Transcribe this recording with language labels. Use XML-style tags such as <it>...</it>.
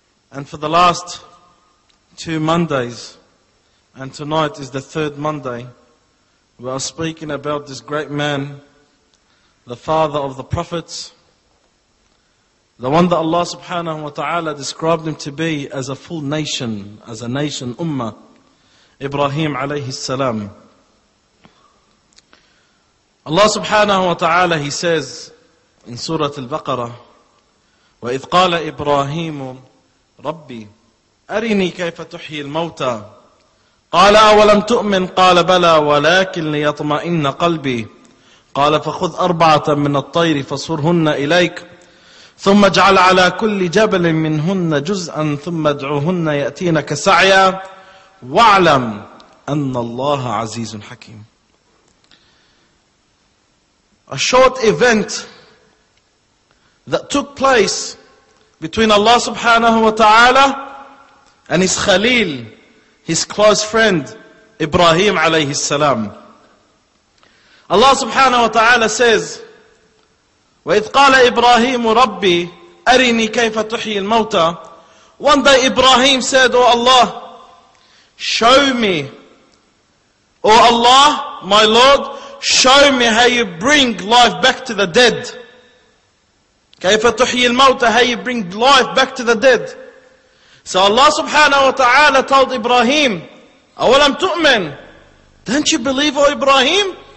<en>And for the last two Mondays, and tonight is the third Monday, we are speaking about this great man, the father of the prophets, the one that Allah subhanahu wa ta'ala described him to be as a full nation, as a nation, ummah, Ibrahim alayhi salam. Allah subhanahu wa ta'ala, He says in Surah Al-Baqarah,</en> <ar>وَإِذْ قَالَ إِبْرَاهِيمُ ربي أرني كيف تحيي الموتى قال أولم تؤمن قال بلى ولكن ليطمئن قلبي قال فخذ أربعة من الطير فصرهن إليك ثم اجعل على كل جبل منهن جزءا ثم ادعوهن يأتينك سعيا واعلم أن الله عزيز حكيم.</ar> <en>A short event that took place between Allah subhanahu wa ta'ala and His Khalil, His close friend, Ibrahim alayhi salam. Allah subhanahu wa ta'ala says,</en> <ar>وَإِذْ قَالَ إِبْرَاهِيمُ رَبِّ أَرِنِي كَيْفَ تُحْيِي الْمَوْتَى.</ar> <en>One day Ibrahim said, Oh Allah, show me. Oh Allah, my Lord, show me how you bring life back to the dead.</en> <ar>كيف تحيي الموتى,</ar> <en>how you bring life back to the dead. So Allah subhanahu wa ta'ala told Ibrahim,</en> <ar>أولم تؤمن,</ar> <en>don't you believe, O Ibrahim?</en>